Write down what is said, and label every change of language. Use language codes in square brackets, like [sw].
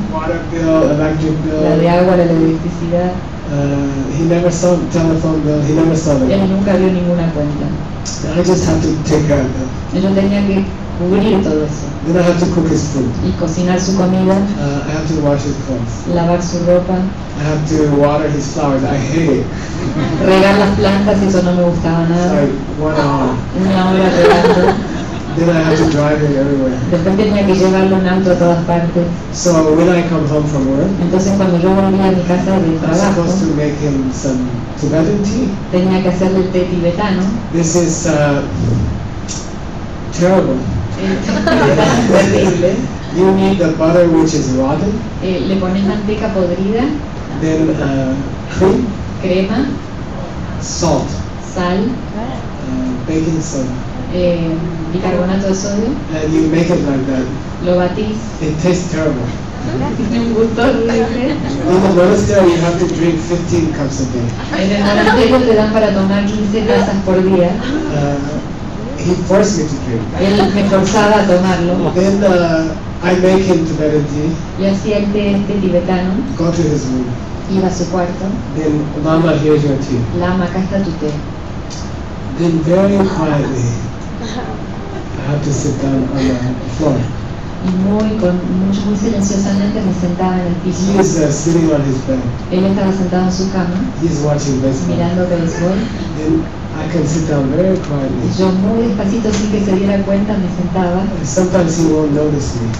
[en] Water bill, electric bill. [es] La de agua, la de electricidad. [en] He never saw the telephone bill, he never saw the bill. [es] Él nunca vio ninguna cuenta. [en] I just have to take care of him. [es] Yo tenía que cubrir todo eso. [en] Then I have to cook his food. [es] Y cocinar su comida. [en] I have to wash his clothes. [es] Lavar su ropa. [en] I have to water his flowers. I hate it. [es] Regar las plantas, eso no me gustaba nada. [en] Sorry, 1 hour. [es] Una hora regando. [en] Then I have to drive him everywhere. [es] Después tenía que llevarlo en auto a todas partes. [en] So when I come home from work, [es] entonces cuando yo volvía a mi casa de trabajo, [en] I'm supposed to make him some Tibetan tea. [es] Tenía que hacerle el té tibetano. [en] This is terrible. [es] Terrible. [en] You need the butter which is rotten. [es] Le pones manteca podrida. [en] Then cream. [es] Crema. [en] Salt. [es] Sal. [en] Baking soda. [es] Bicarbonato de sodio. [en] And you make it like that. [es] Lo batís. [en] It tastes terrible. [es] Tiene un gusto horrible. [en] In the monastery you have to drink 15 cups a day. [es] En el monasterio te dan para tomar 15 tazas por día. [en] He forced me to drink. [es] Él me forzaba a tomarlo. [en] Then I make him Tibetan tea. [es] Yo hacía el té este tibetano. [en] Go to his room. [es] Iba a su cuarto. [en] Then Lama, here's your tea. [es] Lama, acá está tu té. [en] Then very quietly, I have to sit down on the floor. [es] Y muy, con mucho, muy silenciosamente me sentaba en el piso. [en] He is sitting on his bed. [es] Él estaba sentado en su cama. [en] He is watching baseball. [es] Mirando baseball. [en] Then I can sit down very quietly. [es] Yo muy despacito, sin que se diera cuenta, me sentaba. [en] Sometimes he won't notice me.